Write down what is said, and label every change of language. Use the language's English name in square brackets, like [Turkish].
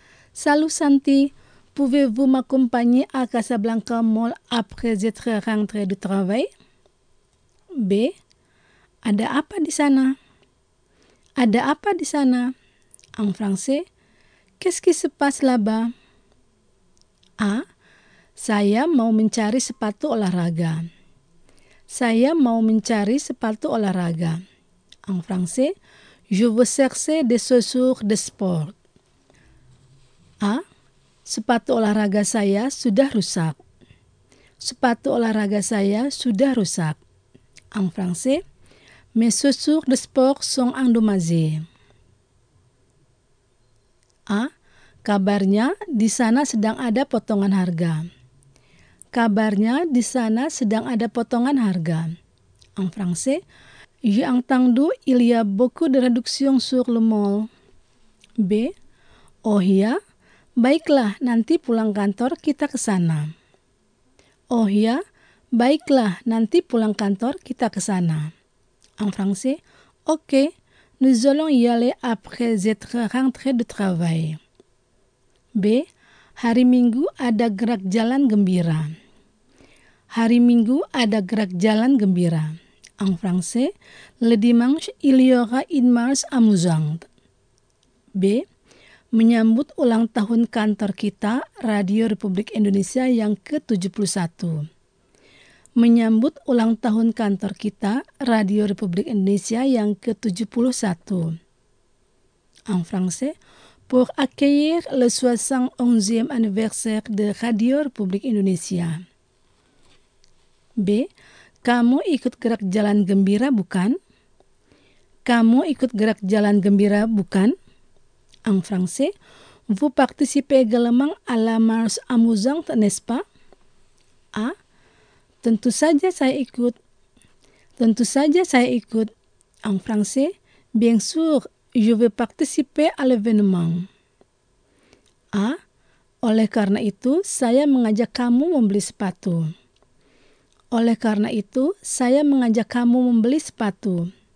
[French] Salut Santi, pouvez-vous m'accompagner à Casablanca Mall après être rentré du travail? [Indonesian] B. Ada apa di sana? Ada apa di sana? [French] En français. Qu'est-ce qui se passe là-bas? A. [Indonesian] Saya mau mencari sepatu olahraga. Saya mau mencari sepatu olahraga. [French] En français, je veux chercher des chaussures de sport. A. [Indonesian] Sepatu olahraga saya sudah rusak. Sepatu olahraga saya sudah rusak. [French] En français, mes chaussures de sport sont endommagées. [Indonesian] A. Kabarnya di sana sedang ada potongan harga. Kabarnya di sana sedang ada potongan harga. [French] En français, j'ai entendu il y a beaucoup de réductions sur le mall. [Indonesian] B. Oh ya, baiklah nanti pulang kantor kita ke sana. Oh ya, baiklah nanti pulang kantor kita ke sana. [French] En français, OK, nous allons y aller après être rentré de travail. B. [Indonesian] Hari Minggu ada gerak jalan gembira. Hari Minggu ada gerak jalan gembira. [French] En français, le dimanche il y aura une marche amusante. B. [Indonesian] Menyambut ulang tahun kantor kita, Radio Republik Indonesia yang ke-71. Menyambut ulang tahun kantor kita, Radio Republik Indonesia yang ke-71. [French] En français, pour accueillir le 71e anniversaire de Radio Republik Indonesia. B. [Indonesian] Kamu ikut gerak jalan gembira, bukan? Kamu ikut gerak jalan gembira, bukan? [French] En français, vous participez également à la marche amusante, n'est-ce pas? A. [Indonesian] Tentu saja saya ikut. Tentu saja saya ikut. [French] En français, bien sûr, je vais participer à l'événement. A. [Indonesian] Oleh karena itu, saya mengajak kamu membeli sepatu. Oleh karena itu, saya mengajak kamu membeli sepatu.